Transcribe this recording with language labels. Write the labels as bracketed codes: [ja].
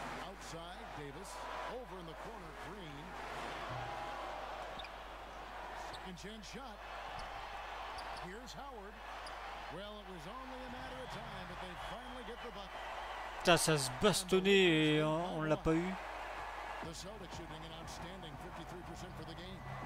[en] Outside, Davis. Over in the corner, Green. Second chance shot. Here's Howard. Well, it was only a matter of time, but they finally get the bucket. [fr] Putain, ça se bastonnait et on l'a pas eu. [en] The Celtics shooting an outstanding 53% for the game.